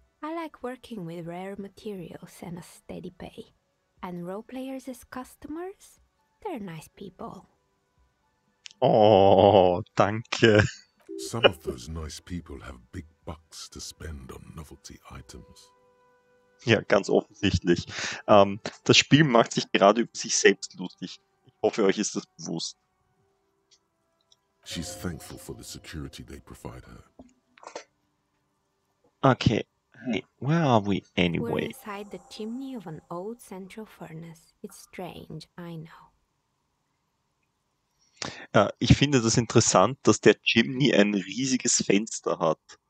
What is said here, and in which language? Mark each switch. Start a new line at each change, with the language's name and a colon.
English: I like working with rare materials and a steady pay. And role players as customers? They're nice people.
German: Oh, danke.
English: Some of those nice people have big bucks to spend on novelty items.
German: Ja, ganz offensichtlich. Das Spiel macht sich gerade über sich selbst lustig. Ich hoffe, euch ist das bewusst.
English: She's thankful for the security they provide her. Okay, hey, where are we anyway? We're inside the chimney of an old central furnace. It's strange, I know.
German: Ich finde das interessant, dass der Chimney ein riesiges Fenster hat.